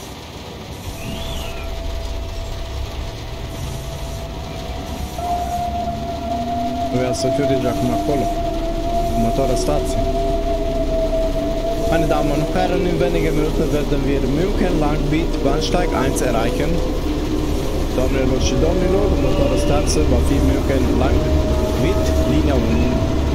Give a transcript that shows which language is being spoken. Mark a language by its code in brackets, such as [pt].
[ro] Voilà. trebuia să fiu deja acum acolo. Următoarea stație. [de] Meine Damen und Herren, in wenigen Minuten werden wir München Langbiet Bahnsteig 1 erreichen. [ro] Domnilor și domnilor, următoarea stație va fi München Langbiet Linia 1.